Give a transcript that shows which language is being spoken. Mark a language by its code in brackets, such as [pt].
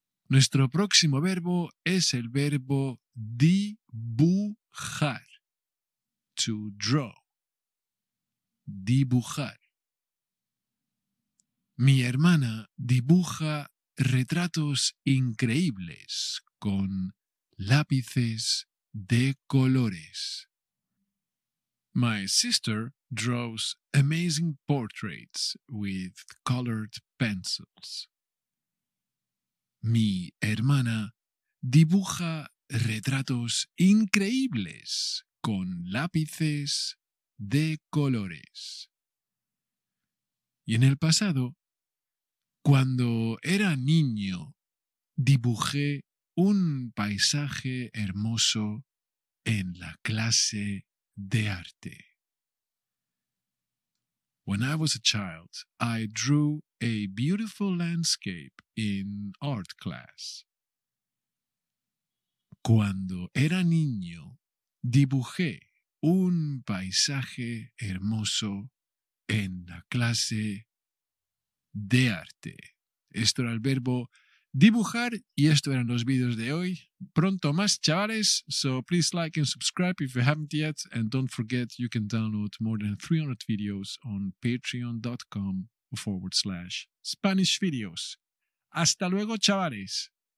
[es] Nuestro próximo verbo es el verbo dibujar, [en] to draw. [es] Dibujar. Mi hermana dibuja retratos increíbles con lápices de colores. [en] My sister draws amazing portraits with colored pencils. [es] Mi hermana dibuja retratos increíbles con lápices de colores. Y en el pasado, cuando era niño, dibujé un paisaje hermoso en la clase de arte. [en] When I was a child, I drew a beautiful landscape in art class. [es] Cuando era niño, dibujé un paisaje hermoso en la clase de arte. Esto era el verbo dibujar y esto eran los vídeos de hoy. Pronto más, chavales. [en] So please like and subscribe if you haven't yet. And don't forget, you can download more than 300 videos on patreon.com/SpanishVideos. [es] Hasta luego, chavales.